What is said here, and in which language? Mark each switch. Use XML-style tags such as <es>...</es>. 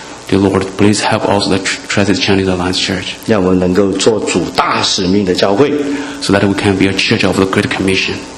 <en>Dear Lord, please help also the Trinity Chinese Alliance Church.</en> <zh>让我们能够做主大使命的教会</zh> <en>so that we can be a church of the Great Commission.</en>